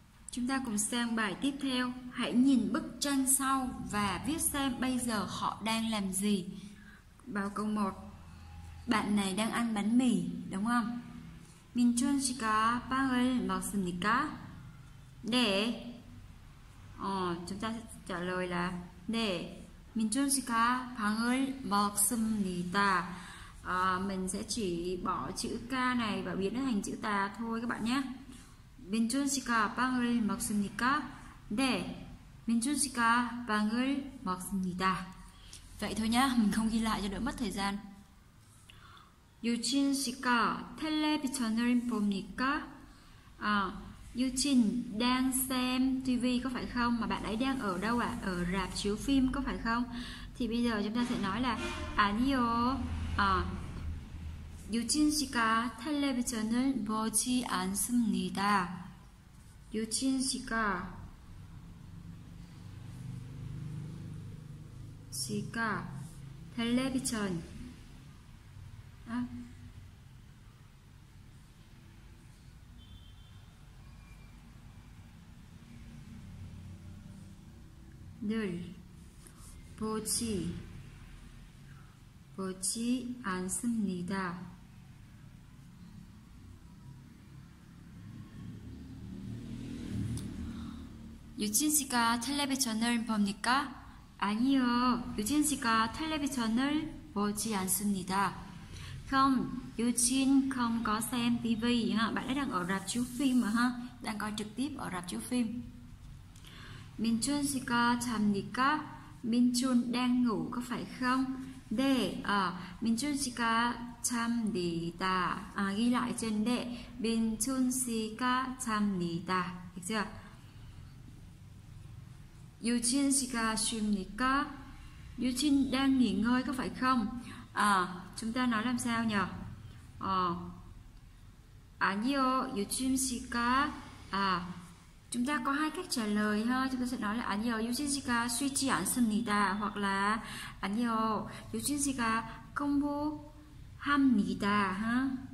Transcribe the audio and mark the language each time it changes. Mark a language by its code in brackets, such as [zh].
[vi] Chúng ta cùng xem bài tiếp theo. Hãy nhìn bức tranh sau và viết xem bây giờ họ đang làm gì. Vào câu 1. Bạn này đang ăn bánh mì, đúng không? [ko] 민준 씨가 빵을 먹습니까? 네. [vi] Chúng ta trả lời là 네. [ko] 민준 씨가 빵을 먹습니다. [vi] Mình sẽ chỉ bỏ chữ K này và biến nó thành chữ ta thôi các bạn nhé. [ko] 민준 씨가 빵을 먹습니까? 네. 민준 씨가 빵을 먹습니다. [vi] Vậy thôi nhá, mình không ghi lại cho đỡ mất thời gian. [ko] 유진 씨가 텔레비전을 봅니까? [vi] 아, 유진 đang xem TV có phải không? Mà bạn ấy đang ở đâu ạ? Ở rạp chiếu phim có phải không? Thì bây giờ chúng ta sẽ nói là [ko] 아니요. 아. 유진 씨가 텔레비전을 보지 않습니다. 유진 씨가 씨가 텔레비전 아 늘 보지 않습니다. 유진 씨가 텔레비전을 봅니까? 아니요. 유진 씨가 텔레비전을 보지 않습니다. [vi] Không, 유진 không có xem TV. Bạn ấy đang ở rạp chiếu phim mà ha. Đang coi trực tiếp ở rạp chiếu phim. [ko] 민준 씨가 잡니까? [vi] 민준 đang ngủ có phải không? [ko] 네. 민준 씨가 잡니다. [vi] Ghi lại trên 네. [ko] 민준 씨가 잡니다. [vi] Được chưa? [ko] 유진 씨가 쉽니까? [vi] 유진 đang nghỉ ngơi có phải không? Chúng ta nói làm sao nhỉ? [ko] 아니요, 유진 씨가 [vi] chúng ta có hai cách trả lời ha. Chúng ta sẽ nói là [ko] 아니요, 유진 씨가 쉬지 않습니다 [vi] hoặc là [ko] 아니요, 유진 씨가 공부합니다 [vi] ha.